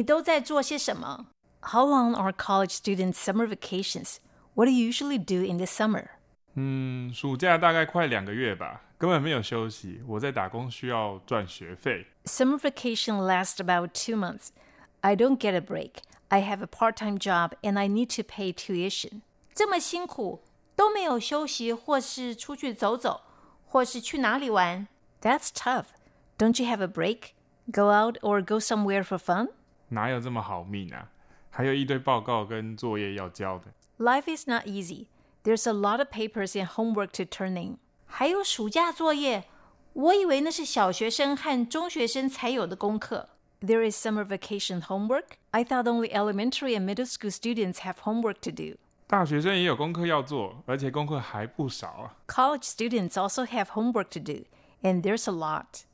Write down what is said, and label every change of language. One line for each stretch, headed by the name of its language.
English: How long are college students' summer vacations? What do you usually do in the summer?
Chinese: 暑假大概快两个月吧，根本没有休息，我在打工需要赚学费。
English: Summer vacation lasts about 2 months. I don't get a break. I have a part-time job and I need to pay tuition.
Chinese: 这么辛苦，都没有休息或是出去走走，或是去哪里玩。
English: That's tough. Don't you have a break? Go out or go somewhere for fun?
Chinese: 哪有这么好命啊？还有一堆报告跟作业要交的。
English: Life is not easy. There's a lot of papers and homework to turn in.
Chinese: 还有暑假作业，我以为那是小学生和中学生才有的功课。
English: There is summer vacation homework. I thought only elementary and middle school students have homework to do.
Chinese: 大学生也有功课要做，而且功课还不少啊。
English: College students also have homework to do, and there's a lot.